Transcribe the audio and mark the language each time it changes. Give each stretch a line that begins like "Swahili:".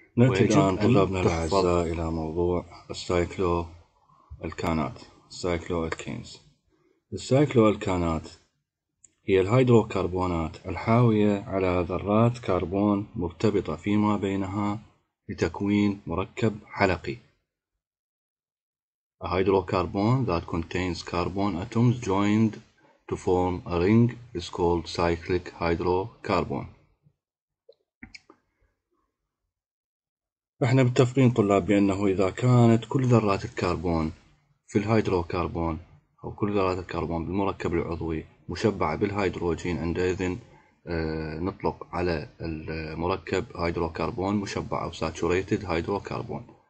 Arabic: نأتي الآن طلابنا الأعزاء إلى موضوع السايكلو الكانات، السايكلو الكينز. السايكلو الكانات هي الهيدروكربونات الحاوية على ذرات كربون مرتبطة فيما بينها لتكوين مركب حلقي.
English: A hydrocarbon that contains carbon atoms joined to form a ring is called cyclic hydrocarbon.
Arabic: احنا متفقين طلاب بانه اذا كانت كل ذرات الكربون في الهيدروكربون او كل ذرات الكربون بالمركب العضوي مشبعه بالهيدروجين، عندئذ نطلق على المركب هيدروكربون مشبع او saturated hydrocarbon.